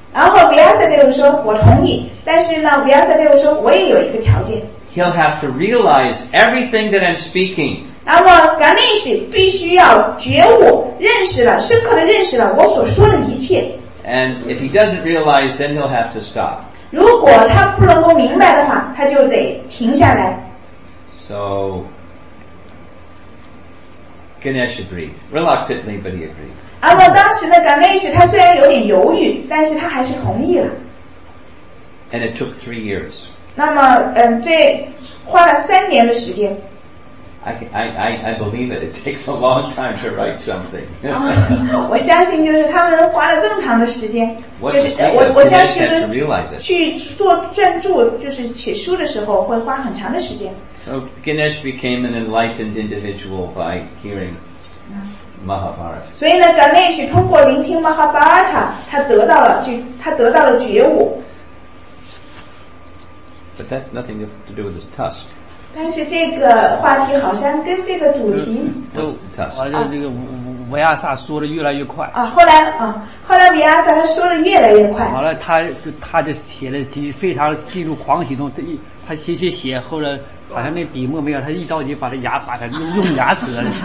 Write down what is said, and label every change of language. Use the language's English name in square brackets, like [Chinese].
[Chinese] 然后 Vyasadeva 说，我同意。但是呢 ，Vyasadeva 说，我也有一个条件。 [English] He'll have to realize everything that I'm speaking. [Chinese] 然后 Ganesh 必须要觉悟，认识了，深刻的认识了我所说的一切。 [English] And if he doesn't realize, then he'll have to stop. [Chinese] 如果他不能够明白的话，他就得停下来。 [English] So. Ganesh agreed. Reluctantly, but he agreed. [Chinese] 然后当时的 Ganesh 他虽然有点犹豫，但是他还是同意了。 [English] And it took 3 years. [Chinese] 那么，这花了三年的时间。 [English] I believe it. It takes a long time to write something. [Chinese] 我相信就是他们花了这么长的时间，就是我相信就是去做专注，就是写书的时候会花很长的时间。 [English] So Ganesh became an enlightened individual by hearing Mahabharata. [Chinese] 所以呢 ，Ganesh 通过聆听 Mahabharata， 他得到了觉悟。 [English] But that's nothing to do with this tusk. [Chinese] 但是这个话题好像跟这个主题完了，这个维亚萨说的越来越快啊。后来维亚萨他说的越来越快。好了，他就写的非常进入狂喜中，他写，后来好像那笔墨没有，他一着急把他用牙齿了。